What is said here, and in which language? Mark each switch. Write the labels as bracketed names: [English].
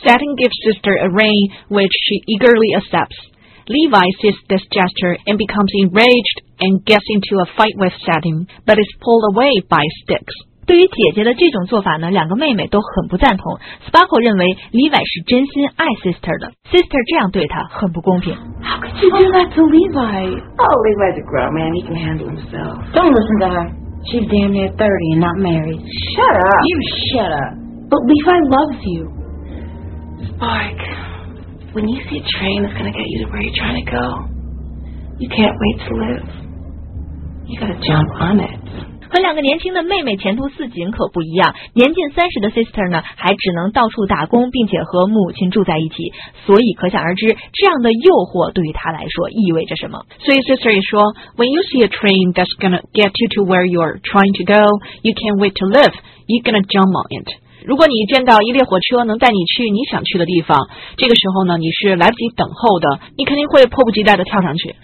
[English] Satin gives Sister a ring which she eagerly accepts. Levi sees this gesture and becomes enraged and gets into a fight with Satin, but is pulled away by Styx. [Chinese] 对于姐姐的这种做法呢，两个妹妹都很不赞同。 Sparkle 认为 Levi 是真心爱 Sister 的 ，Sister 这样对他很不公平。 [English] How could you do that to Levi? Oh, Levi's a grown man. He can handle himself. Don't listen to her. She's damn near 30 and not married. Shut up. You shut up. But Levi loves you. Spark, when you see a train that's going to get you to where you're trying to go, you can't wait to live. You gotta jump on it. [Chinese] 和两个年轻的妹妹前途似锦可不一样，年近30的 sister 呢还只能到处打工，并且和母亲住在一起，所以可想而知这样的诱惑对于她来说意味着什么。所以 sister 也说 [English] When you see a train that's gonna get you to where you're trying to go, you can't wait to live, you're gonna jump on it. [Chinese] 如果你见到一列火车能带你去你想去的地方，这个时候呢你是来不及等候的，你肯定会迫不及待的跳上去。